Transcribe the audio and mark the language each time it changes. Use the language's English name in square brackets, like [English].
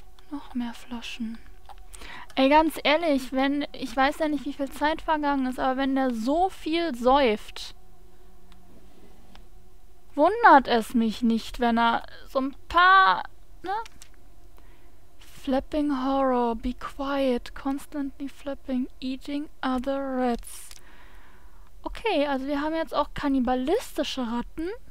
[German] Noch mehr Flaschen. Ey, ganz ehrlich, wenn... Ich weiß ja nicht, wie viel Zeit vergangen ist, aber wenn der so viel säuft, wundert es mich nicht, wenn er so ein paar... Ne? [English] Flapping horror, be quiet, constantly flapping, eating other rats. [German] Okay, also wir haben jetzt auch kannibalistische Ratten.